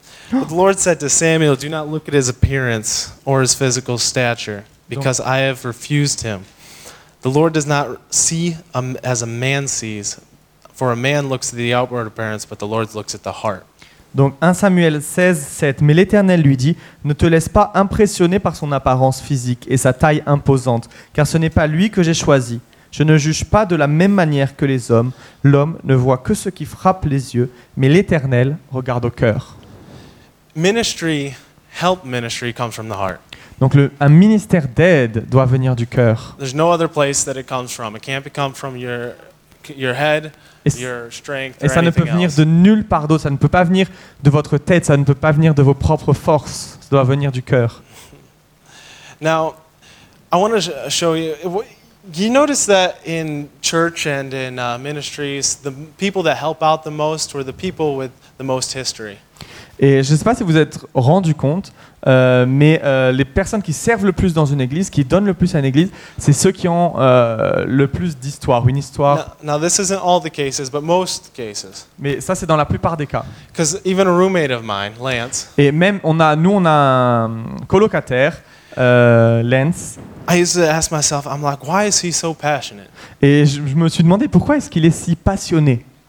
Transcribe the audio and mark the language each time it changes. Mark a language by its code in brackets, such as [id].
[en] But the Lord said to Samuel, "Do not look at his appearance or his physical stature, because I have refused him. The Lord does not see as a man sees, for a man looks at the outward appearance, but the Lord looks at the heart." [fr] Donc 1 Samuel 16, 7. Mais l'Éternel lui dit, ne te laisse pas impressionner par son apparence physique et sa taille imposante, car ce n'est pas lui que j'ai choisi. Je ne juge pas de la même manière que les hommes. L'homme ne voit que ce qui frappe les yeux, mais l'Éternel regarde au cœur. [en] Ministry, help ministry comes from the heart. [fr] Donc un ministère d'aide doit venir du cœur. [en] There's no other place that it comes from. It can't come from your head. Your strength, [fr] et ça ne peut venir [en] else. [fr] De nulle part d'autre, ça ne peut pas venir de votre tête, ça ne peut pas venir de vos propres forces, ça doit venir du cœur. [en] Now, I want to show you, you notice that in church and in ministries, the people that help out the most were the people with the most history. [fr] Et je ne sais pas si vous êtes rendu compte, mais les personnes qui servent le plus dans une église, qui donnent le plus à une église, c'est ceux qui ont le plus d'histoire, une histoire. [en] Now, this isn't all the cases, but most cases. [fr] Mais ça, c'est dans la plupart des cas. [en] Because even a roommate of mine, Lance. [fr] Et même, on a un colocataire, Lance. [en] I used to ask myself, I'm like, why is he so passionate? [fr] Et je me suis demandé pourquoi est-ce qu'il est si passionné.